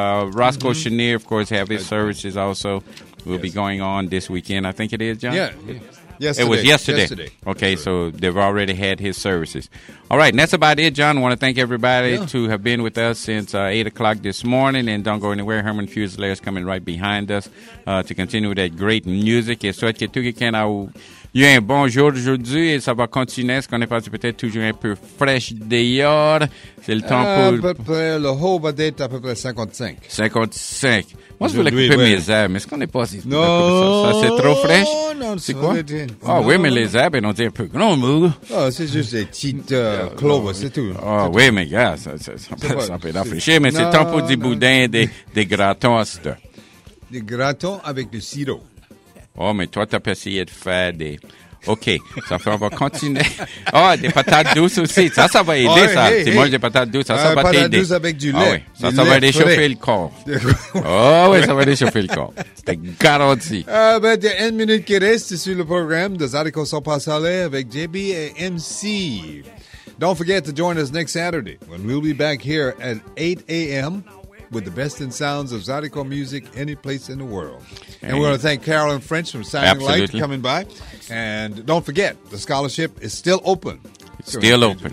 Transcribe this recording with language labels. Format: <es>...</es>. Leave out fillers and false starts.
<en>Roscoe Chenier, of course, have his services also. Will be going on this weekend, I think it is, John? Yesterday. It was yesterday. Okay, so they've already had his services. All right, and that's about it, John. I want to thank everybody to have been with us since 8 o'clock this morning. And don't go anywhere. Herman Fuselier is coming right behind us to continue that great music.</en> <fr>Et souhaite que tout le monde ait un bon jour aujourd'hui. Et ça va continuer. Est-ce qu'on est passé peut-être toujours un peu fraîche d'ailleurs? C'est le temps pour... À peu près, le haut va être à peu près 55. 55. Moi, je voulais couper mes herbes, mais ce qu'on n'est pas... Non! Ça, c'est trop fraîche? Non, c'est quoi? Oui, mais les herbes, elles ont dit un peu grand mou. Ah, c'est juste des petites cloves, c'est tout. Ah oui, mais gars, ça peut rafraîchir, mais c'est temps pour du boudin et des gratons. Des gratons avec du sirop. Oh, mais toi, t'as pas essayé de faire des... OK, ça fait, on va continuer. Oh, des patates douces aussi. Ça va aider, ça. Si tu manges des patates douces, ça va t'aider. Des patates douces avec du lait. Ah, oui. Ça va réchauffer le corps. Oh, oui, ça va réchauffer le corps. C'est garanti. Ben, il y a une minute qui reste sur le programme de Zydeco Sans Pas Salé avec JB et MC.</fr> <en>Don't forget to join us next Saturday when we'll be back here at 8 a.m. with the best in sounds of Zydeco music any place in the world. And we want to thank Carolyn French from Signing Absolutely. Light for coming by. And don't forget, the scholarship is still open. It's still open.</en>